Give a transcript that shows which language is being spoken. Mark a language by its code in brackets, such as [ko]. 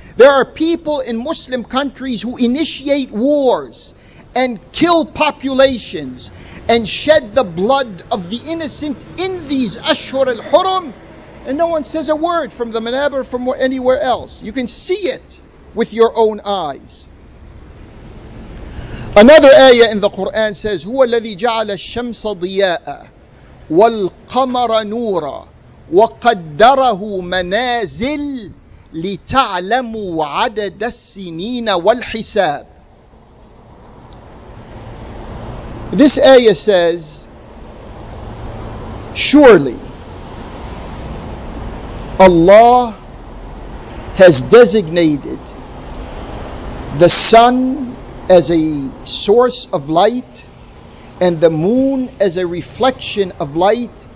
[en] There are people in Muslim countries who initiate wars and kill populations and shed the blood of the innocent in these Ashhur al-Hurum, and no one says a word from the Manab or from anywhere else. You can see it with your own eyes. [ar] Another ayah in the Quran says, هُوَ الَّذِي جَعَلَ الشَّمْسَ ضِيَاءً وَالْقَمَرَ نُورًا وَقَدَّرَهُ مَنَازِلْ لِتَعْلَمُوا عَدَدَ السِّنِينَ وَالْحِسَابِ. [en] This ayah says, surely Allah has designated the sun as a source of light and the moon as a reflection of light,